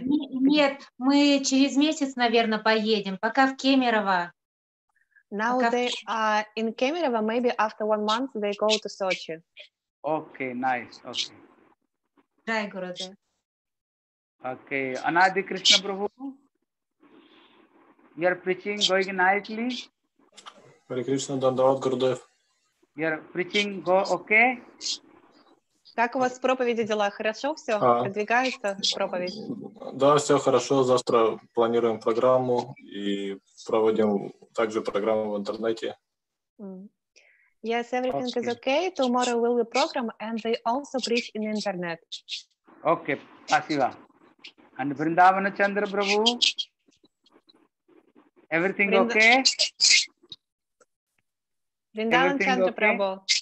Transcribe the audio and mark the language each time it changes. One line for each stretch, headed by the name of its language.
Russian: Нет, мы через месяц, наверное, поедем, пока в Кемерово.
English: Now
Russian: пока
English: they are in Kemerovo, maybe after 1 month they go to Sochi. Okay, nice, okay. Jai Gurudev. Okay, Anadi Krishna Prabhu, you are preaching going nicely. Hare Krishna, Dandavat Gurudev. You are preaching go okay?
Russian: Как у вас проповеди дела? Хорошо все? Продвигается проповедь? Да, все хорошо. Завтра планируем программу и проводим также программу в интернете.
English: Yes, everything is okay. Tomorrow will be program and they also preach in internet. Okay,
Russian: спасибо.
English: And Vrindavana Chandra Prabhu, everything okay? Vrindavana Chandra Prabhu.